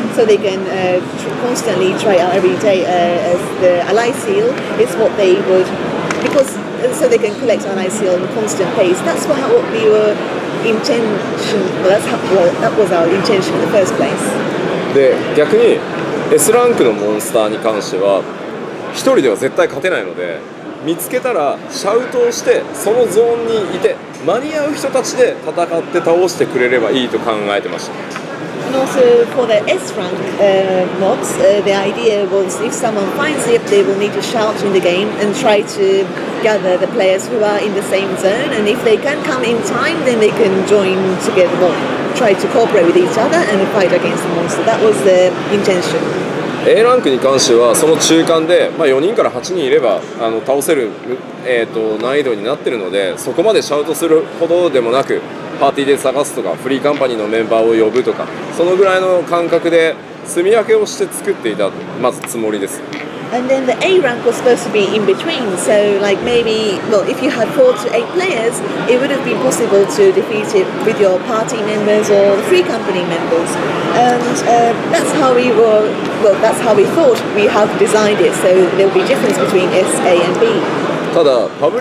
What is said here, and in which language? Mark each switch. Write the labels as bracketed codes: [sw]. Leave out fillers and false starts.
[en] So they can constantly try out every day as the ally seal is what they would, because so they can collect an ICL on a constant pace. That's what we were intention. Well, that's how, well, that was our intention in the first place. [ja] で、逆に S ランクのモンスターに関しては一人では絶対勝てないので、見つけたらシャウトをしてそのゾーンにいて間に合う人たちで戦って倒してくれればいいと考えてました。 [en] And also for the S rank mobs, the idea was if someone finds it, they will need to shout in the game and try to gather the players who are in the same zone. And if they can come in time, then they can join together, well, try to cooperate with each other and fight against the monster. That was the intention. [ja] A ランクに関してはその中間で4人から8人いれば倒せる難易度になっているので、そこまでシャウトするほどでもなく、 パーティーで探すとか、フリーカンパニーのメンバーを呼ぶとか、そのぐらいの感覚で住み分けをして作っていた、まずつもりです。 [en] And then the A rank was supposed to be in between, so like maybe, well, if you had 4 to 8 players, it would have been possible to defeat it with your party members or the free company members. And that's how we were, well, that's how we thought we have designed it, so there will be difference between S, A and B.